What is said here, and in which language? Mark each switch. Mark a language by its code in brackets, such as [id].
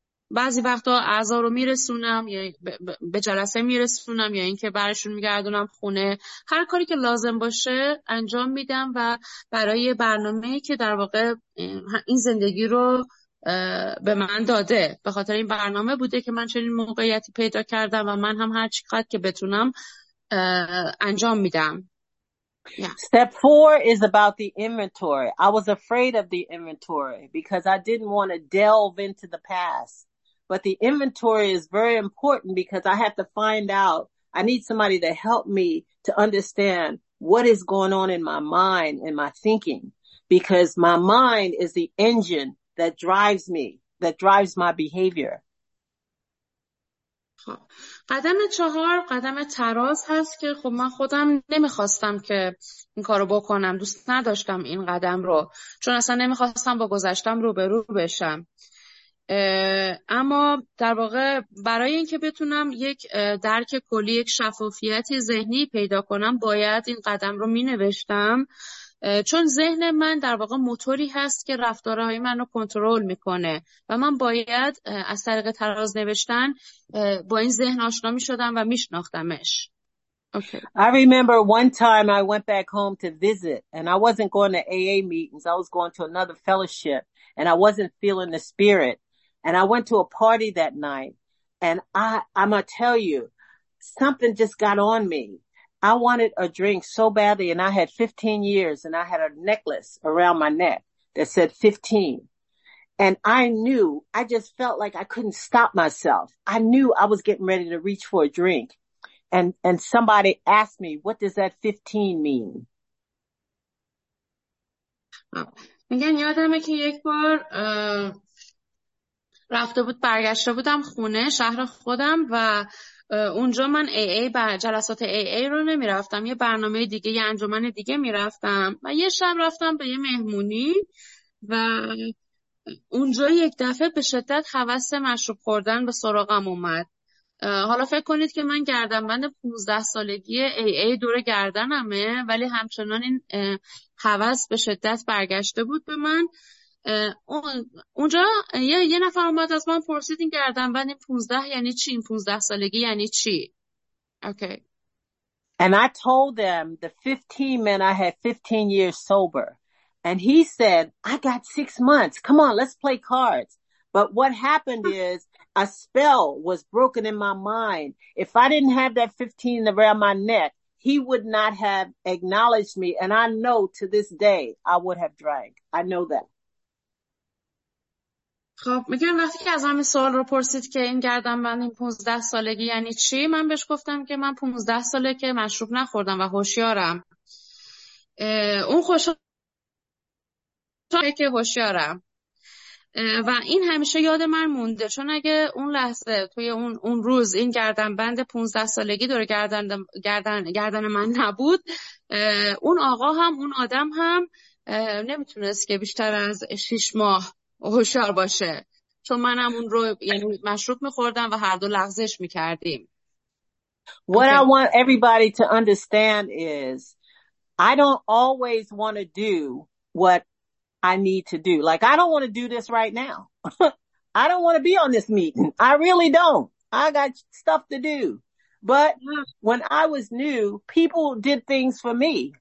[fa] بعضی وقتا اعضا رو میرسونم یا به جلسه میرسونم یا اینکه برشون میگردونم خونه، هر کاری که لازم باشه انجام میدم و برای برنامه‌ای که در واقع این زندگی رو به من داده، به خاطر این برنامه بوده که من چنین موقعیتی پیدا کردم و من هم هر چقدر که بتونم انجام میدم. [en] Step four is about the inventory. I was afraid of the inventory because I didn't want to delve into the past. But the inventory is very important because I have to find out, I need somebody to help me to understand what is going on in my mind and my thinking, because my mind is the engine that drives me, that drives my behavior. [fa] قدم چهار قدم تراز هست که خب من خودم نمیخواستم که این کارو بکنم، دوست نداشتم این قدم رو، چون اصلا نمیخواستم با گذشتم روبرو بشم. اما در واقع برای اینکه بتونم یک درک کلی، یک شفافیت ذهنی پیدا کنم، باید این قدم رو مینوشتم، چون ذهن من در واقع موتوری هست که رفتارهای من رو کنترل میکنه و من باید از طریق تراز نوشتن با این ذهن آشنا میشدم و میشناختمش. [en] I remember one time I went back home to visit and I wasn't going to AA meetings. I was going to another fellowship and I wasn't feeling the spirit. And I went to a party that night and I'm gonna tell you, something just got on me. I wanted a drink so badly and I had 15 years and I had a necklace around my neck that said 15. And I knew, I just felt like I couldn't stop myself. I knew I was getting ready to reach for a drink. And somebody asked me, what does that 15 mean? [fa] میگن یادمه که یک بار رفته بود برگشته بودم خونه شهر خودم و اونجا من AA بر جلسات AA رو نمی رفتم، یه برنامه دیگه، یه انجمن دیگه می رفتم و یه شب رفتم به یه مهمونی و اونجا یک دفعه به شدت هوس مشروب خوردن به سراغم اومد. حالا فکر کنید که من گردنبند 15 سالگی AA دور گردنمه، ولی همچنان این هوس به شدت برگشته بود به من. اونجا یه نفر اومد از من پرسید این گردنبند 15 یعنی چی، این 15 سالگی یعنی چی. [en] Okay. And I told them the 15 meant I had 15 years sober. And he said, I got 6 months. Come on, let's play cards. But what happened is a spell was broken in my mind. If I didn't have that 15 around my neck, he would not have acknowledged me. And I know to this day, I would have drank. I know that. [fa] خب میگم وقتی که از من سوال رو پرسید که این گردنبند این 15 سالگی یعنی چی، من بهش گفتم که من 15 ساله که مشروب نخوردم و هوشیارم. اون خوشحال که هوشیارم. و این همیشه یاد من مونده، چون اگه اون لحظه توی اون روز این گردن بند 15 سالگی دور گردن من نبود، اون آقا هم اون آدم هم نمیتونست که بیشتر از 6 ماه هوشیار باشه، چون منم اون رو یعنی مشروب میخوردم و هر دو لغزش میکردیم. [en] What I want everybody to understand is I don't always want to do what I need to do. Like, I don't want to do this right now. I don't want to be on this meeting. I really don't. I got stuff to do. But when I was new, people did things for me.